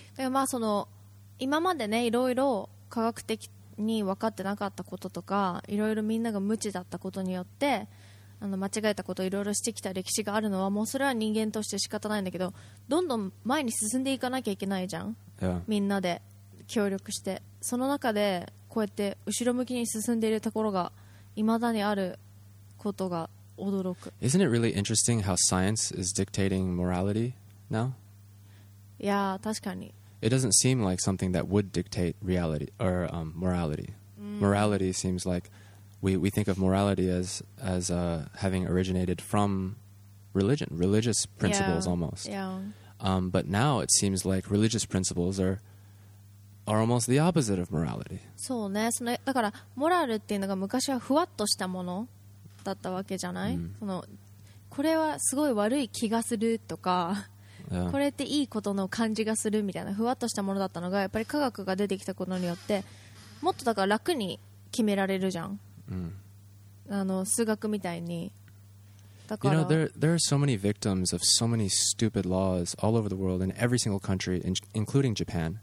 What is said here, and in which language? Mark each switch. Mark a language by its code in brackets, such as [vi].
[ja] まあその今までねいろいろ科学的に分かってなかったこととかいろいろみんなが無知だったことによってあの間違えたことをいろいろしてきた歴史があるのはもうそれは人間として仕方ないんだけどどんどん前に進んでいかなきゃいけないじゃん、 [en] yeah. [ja] みんなで協力してその中でこうやって後ろ向きに進んでいるところが未だにあることが驚く [en] Isn't it really interesting how science is dictating morality now? [ja] いや確かに [en] It doesn't seem like something that would dictate reality or morality. Morality seems like we think of morality as having originated from religion, religious principles yeah, almost. Yeah. But now it seems like religious principles are almost the opposite of morality. [ja] そうね。その、だから、モラルっていうのが昔はふわっとしたものだったわけじゃない？その、これはすごい悪い気がするとか、これっていいことの感じがするみたいなふわっとしたものだったのがやっぱり科学が出てきたことによってもっとだから楽に決められるじゃん、あの数学みたいにだから [en] You know, there are so many victims of so many stupid laws all over the world in every single country including Japan